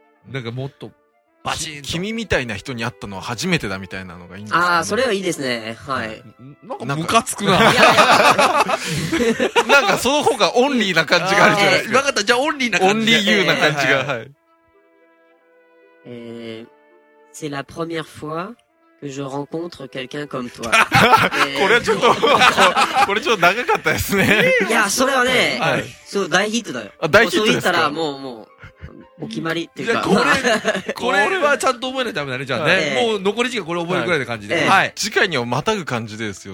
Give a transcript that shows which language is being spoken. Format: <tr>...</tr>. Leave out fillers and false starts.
<ja>なんかもっと、バチンと。君みたいな人に会ったのは初めてだみたいなのがいいんですか、ね、ああ、それはいいですね。はい。なんか、ムカつくな。なんか、その方がオンリーな感じがあるじゃないですか。わかった。じゃあ、オンリーな感じが。オンリーユーな感じが。はい。</ja> <fr>C'est la première fois que je rencontre quelqu'un comme toi.</fr> <ja>これちょっと、これちょっと長かったですね。いや、それはね、はい、そう、大ヒットだよ。あ、大ヒットだよ。そう言ったら、もう、お決まりっていうか。これ、これはちゃんと覚えないとダメだね、じゃあね。もう残り時間これ覚えるぐらいの感じで。はい。次回にはまたぐ感じですよ。</ja>